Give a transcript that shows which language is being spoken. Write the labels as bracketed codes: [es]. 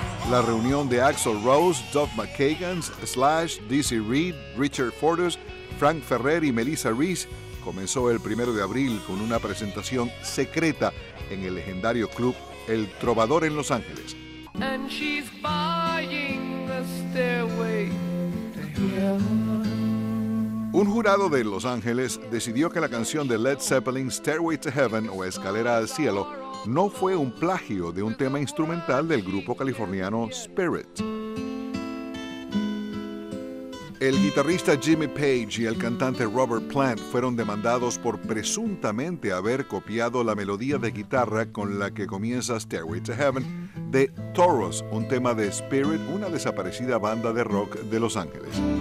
[es] La reunión de Axl Rose, Duff McKagan, Slash, Dizzy Reed, Richard Fortus, Frank Ferrer y Melissa Reese comenzó el 1 de abril con una presentación secreta en el legendario club El Trovador en Los Ángeles. [en] And she's buying the stairway to heaven. [es] Un jurado de Los Ángeles decidió que la canción de Led Zeppelin, Stairway to Heaven o Escalera al Cielo, no fue un plagio de un tema instrumental del grupo californiano Spirit. El guitarrista Jimmy Page y el cantante Robert Plant fueron demandados por presuntamente haber copiado la melodía de guitarra con la que comienza Stairway to Heaven de Toros, un tema de Spirit, una desaparecida banda de rock de Los Ángeles.